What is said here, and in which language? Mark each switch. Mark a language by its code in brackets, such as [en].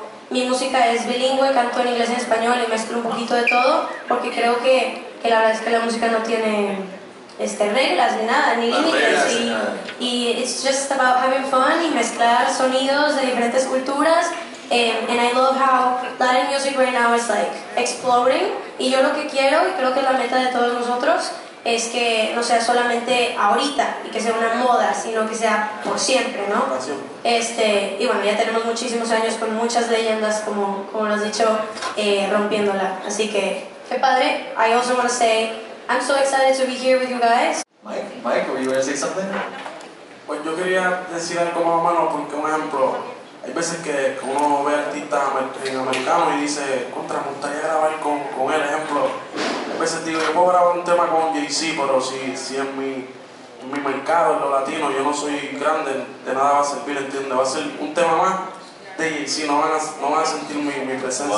[es] Mi música es bilingüe, canto en inglés y en español y mezclo un poquito de todo porque creo que la verdad es que la música no tiene reglas ni nada, ni límites y it's just about having fun y mezclar sonidos de diferentes culturas and I love how Latin music right now is like exploring y yo lo que quiero y creo que es la meta de todos nosotros es que no sea solamente ahorita y que sea una moda, sino que sea por siempre, ¿no? Y bueno, ya tenemos muchísimos años con muchas leyendas, como lo has dicho, rompiéndola. Así que, qué padre. [en] I also want to say, I'm so excited to be here with you guys. Mike, were you going to say something? [es] Pues yo quería decir algo más o menos, porque un ejemplo, hay veces que uno ve artistas en americano y dice, contra, me gustaría grabar con él, ejemplo. A veces digo, yo puedo grabar un tema con Jay-Z, pero si es mi mercado, en lo latino, yo no soy grande, de nada va a servir, ¿entiendes? Va a ser un tema más de Jay-Z, no van a sentir mi presencia.